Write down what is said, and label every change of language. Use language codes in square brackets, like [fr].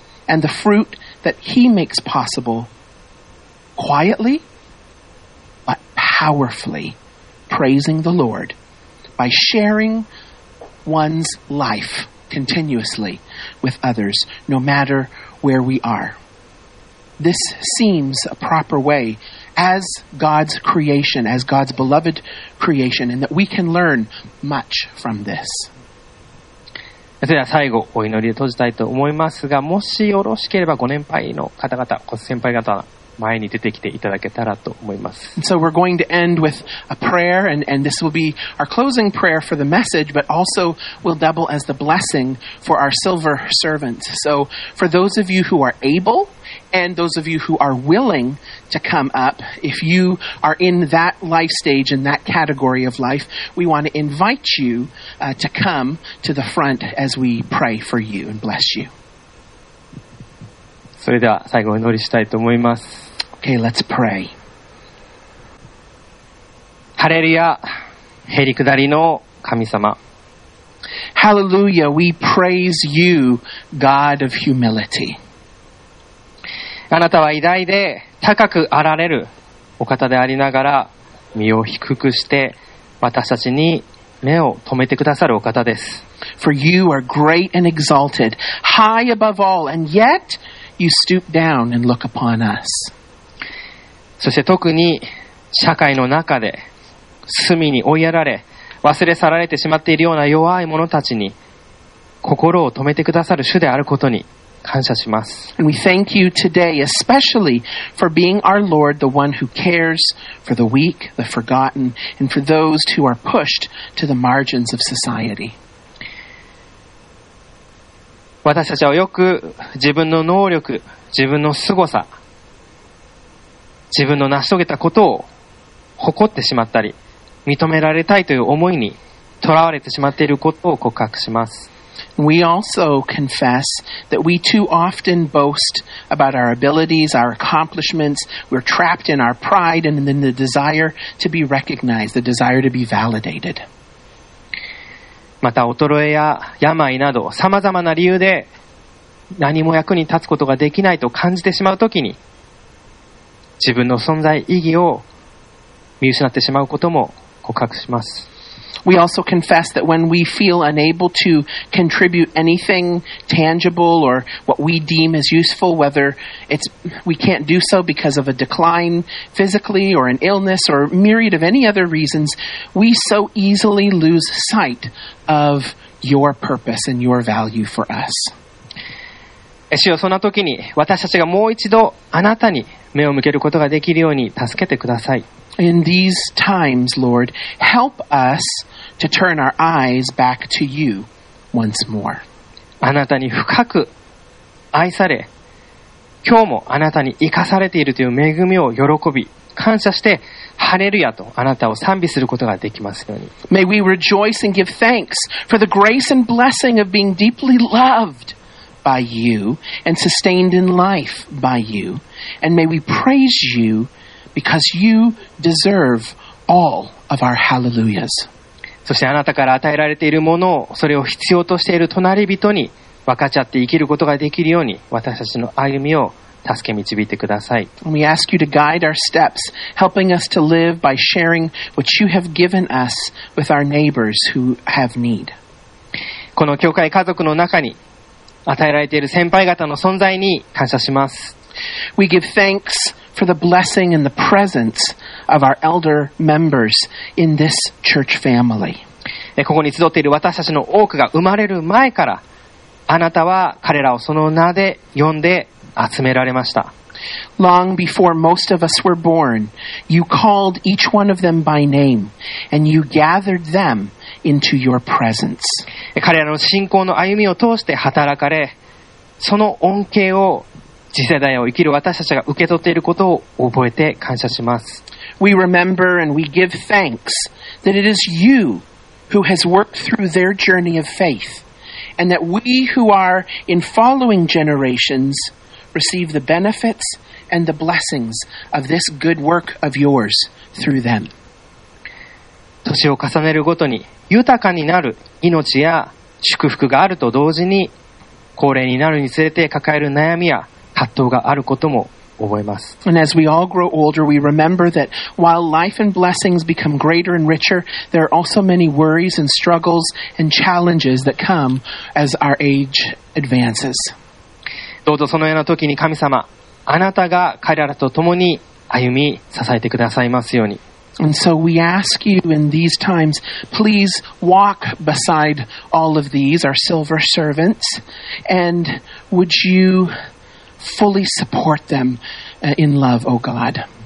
[en] And the fruit that he makes possible quietly, but powerfully, praising the Lord by sharing one's life continuously with others, no matter where we are. This seems a proper way as God's creation, as God's beloved creation, and that we can learn much from this. [ja] それでは最後お祈りで閉じたいと思いますが、もしよろしければご年配の方々、ご先輩方前に出てきていただけたらと思います。 [en] So we're going to end with a prayer, and this will be our closing prayer for the message, but also will double as the blessing for our silver servants. So for those of you who are able and those of you who are willing to come up, if you are in that life stage, in that category of life, we want to invite you to come to the front as we pray for you and bless you. [ja] それでは最後お祈りしたいと思います。 [en] Okay, let's pray. [ja] ハレルヤ、へりくだりの神様。 [en] Hallelujah, we praise you, God of humility. [ja] あなたは偉大で高くあられるお方でありながら、身を低くして私たちに目を留めてくださるお方です。 [en] For you are great and exalted, high above all, and yet... You stoop down and look upon us. [ja] そして特に社会の中で隅に追いやられ忘れ去られてしまっているような弱い者たちに心を止めてくださる主であることに感謝します。 [en] And we thank you today especially for being our Lord, the one who cares for the weak, the forgotten, and for those who are pushed to the margins of society. [ja] 私たちはよく自分の能力、自分の凄さ、自分の成し遂げたことを誇ってしまったり、認められたいという思いにとらわれてしまっていることを告白します。 [en] We also confess that we too often boast about our abilities, our accomplishments. We're trapped in our pride and in the desire to be recognized, the desire to be validated. [ja] また衰えや病などさまざまな理由で何も役に立つことができないと感じてしまうときに自分の存在意義を見失ってしまうことも告白します。 [en] We also confess that when we feel unable to contribute anything tangible or what we deem as useful, whether it's we can't do so because of a decline physically or an illness or myriad of any other reasons, we so easily lose sight of your purpose and your value for us. [ja] 主よ、そんな時に私たちがもう一度あなたに目を向けることができるように助けてください。 [en] In these times, Lord, help us to turn our eyes back to you once more. [ja] あなたに深く愛され、今日もあなたに生かされているという恵みを喜び、感謝して、ハレルヤとあなたを賛美することができますように。 [en] May we rejoice and give thanks for the grace and blessing of being deeply loved. By you and sustained in life by you, and may we praise you because you deserve all of our hallelujahs. [ja] そしてあなたから与えられているものをそれを必要としている隣人に分かち合って生きることができるように私たちの歩みを助け導いてください。 [en] We ask you to guide our steps, helping us to live by sharing what you have given us with our neighbors who have need. [ja] この教会家族の中に与えられている先輩方の存在に感謝します。 [en] We give thanks for the blessing and the presence of our elder members in this church family. [ja] ここに集っている私たちの多くが生まれる前から、あなたは彼らをその名で呼んで集められました。 [en] Long before most of us were born, you called each one of them by name, and you gathered them into your presence. [ja] 彼らの信仰の歩みを通して働かれ、その恩恵を次世代を生きる私たちが受け取っていることを覚えて感謝します。 [en] We remember and we give thanks that it is you who has worked through their journey of faith, and that we who are in following generations receive the benefits and the blessings of this good work of yours through them. [ja] 年を重ねるごとに豊かになる命や祝福があると同時に、高齢になるにつれて抱える悩みや葛藤があることも覚えます。 [en] And as we all grow older, we remember that while life and blessings become greater and richer, there are also many worries and struggles and challenges that come as our age advances. [ja] どうぞそのような時に神様、あなたが彼らと共に歩み支えてくださいますように。 [en] And so we ask you in these times, please walk beside all of these, our silver servants, and would you fully support them in love, O God.